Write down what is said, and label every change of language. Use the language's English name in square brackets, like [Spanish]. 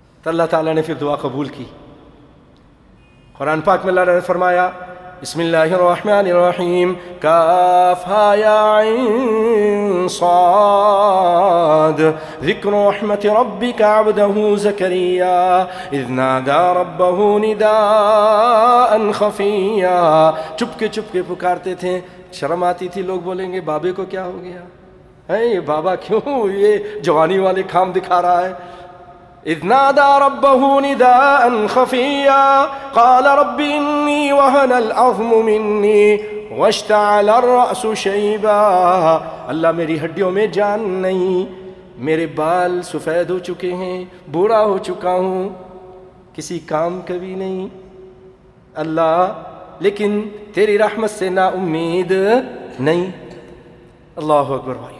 [Urdu] اللہ تعالیٰ نے پھر دعا قبول کی. قرآن پاک میں اللہ نے فرمایا [Arabic] بسم اللہ الرحمن الرحیم، کاف ہا یا عین صاد، ذکر رحمت ربک عبدہ زکریا، اذ نادا ربہ نداء خفیا. [Urdu] چپکے پکارتے تھے، شرم آتی تھی، لوگ بولیں گے بابے کو کیا ہو گیا، اے بابا کیوں یہ جوانی والے کام دکھا رہا ہے. [Arabic] اذ نادى ربه نداء خفيا قال رب اني وهن العظم مني واشتعل الراس شيبا. [Urdu] اللہ میری ہڈیوں میں جان نہیں، میرے بال سفید ہو چکے ہیں، بوڑھا ہو چکا ہوں، کسی کام کبھی نہیں اللہ، لیکن تیری رحمت سے نا امید نہیں. اللہ اکبر.